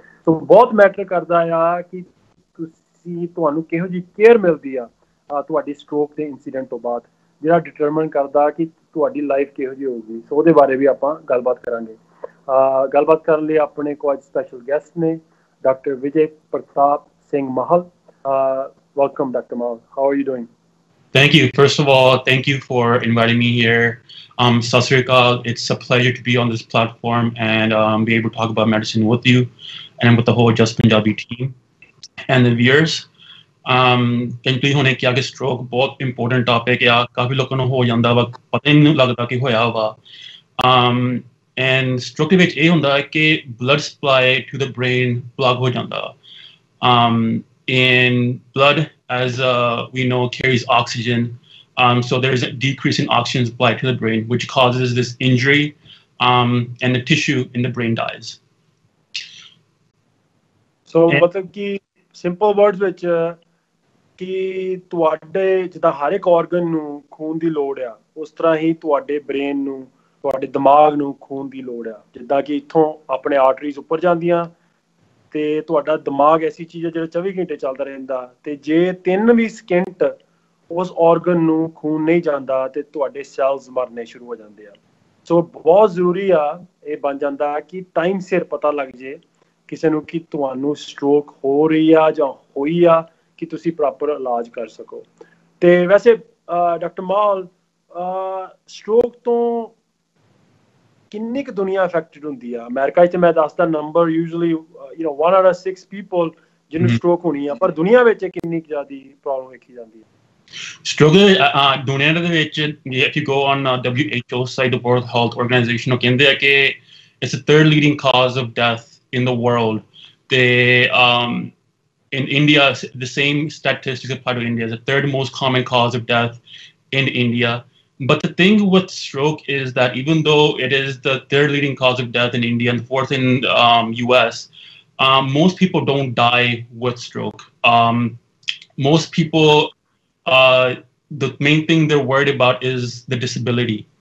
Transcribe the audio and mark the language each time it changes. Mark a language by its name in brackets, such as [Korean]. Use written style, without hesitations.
[Punjabi] ਸੋ ਬਹੁਤ ਮੈਟਰ ਕਰਦਾ ਆ ਕਿ ਤੁਸੀਂ ਤੁਹਾਨੂੰ ਕਿਹੋ ਜਿਹੀ ਕੇਅਰ ਮਿਲਦੀ ਆ ਤੁਹਾਡੀ ਸਟ੍ਰੋਕ ਦੇ ਇੰਸੀਡੈਂਟ ਤੋਂ ਬਾਅਦ, ਜਿਹੜਾ ਡਿਟਰਮਨ ਕਰਦਾ ਕਿ ਤੁਹਾਡੀ ਲਾਈਫ ਕਿਹੋ ਜਿਹੀ ਹੋਊਗੀ। ਸੋ ਉਹਦੇ ਬਾਰੇ ਵੀ ਆਪਾਂ ਗੱਲਬਾਤ ਕਰਾਂਗੇ। ਗੱਲਬਾਤ ਕਰਨ ਲਈ ਆਪਣੇ ਕੋਲ ਅੱਜ ਸਪੈਸ਼ਲ ਗੈਸਟ ਨੇ ਡਾਕਟਰ ਵਿਜੇ ਪ੍ਰਤਾਪ ਸਿੰਘ ਮਹਲ। [English] Welcome doctor Mahal, how are you doing? Thank you. First of all, thank you for inviting me here. Sat Sri Akaal, it's a pleasure to be on this platform and be able to talk about medicine with you and with the whole Just Punjabi team and the viewers. [Punjabi] ਕਹਿੰਦੇ ਹੋਣੇ ਕਿ ਅੱਗੇ stroke ਬਹੁਤ important topic ਆ, ਕਾਫ਼ੀ ਲੋਕਾਂ ਨੂੰ ਹੋ ਜਾਂਦਾ ਵਾ, ਪਤਾ ਹੀ ਨਹੀਂ ਲੱਗਦਾ ਕਿ ਹੋਇਆ ਵਾ। ਐਂਡ ਸਟ੍ਰੋਕ ਵਿੱਚ ਇਹ ਹੁੰਦਾ ਕਿ [English] blood supply to the brain [Punjabi] block ਹੋ ਜਾਂਦਾ। [English] And blood as we know carries oxygen, so there is a decrease in oxygen supply to the brain which causes this injury, and the tissue in the brain dies. So what the key simple words which [Punjabi] ki tuhade jida har ek organ nu khoon di load ya, us tarah hi tuhade brain nu tuhade dimag nu khoon di load ya, jidda ki itthon apne arteries upar jandiyan ਅਤੇ ਤੁਹਾਡਾ ਦਿਮਾਗ ਐਸੀ ਚੀਜ਼ ਹੈ ਜਿਹੜਾ 24 ਘੰਟੇ ਚੱਲਦਾ ਰਹਿੰਦਾ, ਅਤੇ ਜੇ 3 ਸਕਿੰਟ ਉਸ ਔਰਗਨ ਨੂੰ ਖੂਨ ਨਹੀਂ ਜਾਂਦਾ ਅਤੇ ਤੁਹਾਡੇ ਸੈਲਸ ਮਰਨੇ ਸ਼ੁਰੂ ਹੋ ਜਾਂਦੇ ਆ। ਸੋ ਬਹੁਤ ਜ਼ਰੂਰੀ ਆ, ਇਹ ਬਣ ਜਾਂਦਾ ਕਿ ਟਾਈਮ ਸਿਰ ਪਤਾ ਲੱਗ ਜੇ ਕਿਸੇ ਨੂੰ ਕਿ ਤੁਹਾਨੂੰ ਸਟ੍ਰੋਕ ਹੋ ਰਹੀ ਆ ਜਾਂ ਹੋਈ ਆ, ਕਿ ਤੁਸੀਂ ਪ੍ਰੋਪਰ ਇਲਾਜ ਕਰ ਸਕੋ। ਅਤੇ ਵੈਸੇ ਡਾਕਟਰ ਮਾਲ, ਸਟ੍ਰੋਕ ਤੋਂ ਕਿੰਨੀ ਕੁ ਦੁਨੀਆ ਅਫੈਕਟਡ ਹੁੰਦੀ ਆ? ਅਮਰੀਕਾ 'ਚ ਮੈਂ ਦੱਸਦਾ number usually 1 out of 6 people ਜਿਹਨੂੰ ਸਟ੍ਰੋਕ ਹੋਣੀ ਆ, ਪਰ ਦੁਨੀਆ ਵਿੱਚ ਕਿੰਨੀ ਕੁ ਜ਼ਿਆਦਾ ਪ੍ਰੋਬਲਮ ਵੇਖੀ ਜਾਂਦੀ ਆ? ਸਟ੍ਰੋਕ ਦੁਨੀਆ ਦੇ ਵਿੱਚ, [English] if you go on WHO site, the world health organisation, [Punjabi] ਉਹ ਕਹਿੰਦੇ ਆ ਕਿ [English] It's a 3rd leading cause of death in the world. ਤੇ in India the same statistics apply to India, it's a 3rd most common cause of death in India. But the thing with stroke is that even though it is the 3rd leading cause of death in India and 4th in US, most people don't die with stroke. Most people, the main thing they're worried about is the disability.